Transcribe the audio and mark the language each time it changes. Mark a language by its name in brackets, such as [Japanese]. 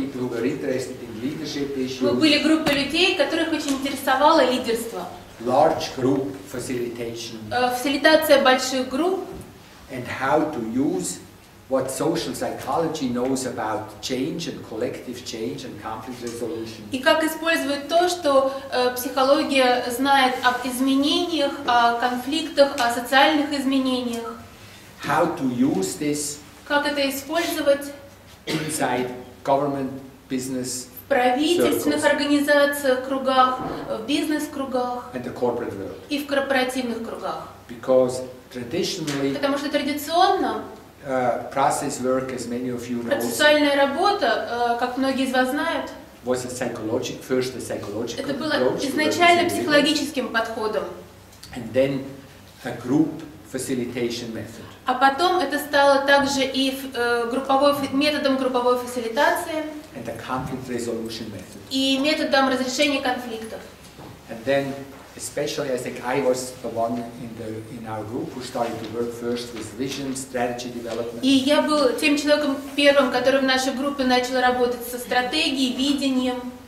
[Russian] Мы были группа людей, которых очень интересовало лидерство. [English] Large group facilitation. [Russian] Фасилитация больших групп. [English] And how to use what social psychology knows about change and collective change and conflict resolution. [Russian] И как использовать то, что психология знает об изменениях, о конфликтах, о социальных изменениях. [English] How to use this. [Russian] Как это использовать [English] inside government, business, [Russian] в правительственных [English] circles. [Russian] Организациях, кругах, в бизнес-кругах [English] and the corporate world. [Russian] И в корпоративных кругах. [English] Because traditionally, [Russian] потому что традиционно [English] process work, as many of you know, [Russian] процессуальная работа, как многие из вас знают, [English] was a psychological, first a psychological [Russian] это было изначально психологическим подходом. [English] And then a group facilitation method. [Russian] А потом это стало также и методом групповой фасилитации [English] and the conflict resolution method. [Russian] И методом разрешения конфликтов. [English] And then, especially, I think I was the one in our group who started to work first with vision, strategy development. [Russian] И я был тем человеком первым, который в нашей группе начал работать со стратегией, видением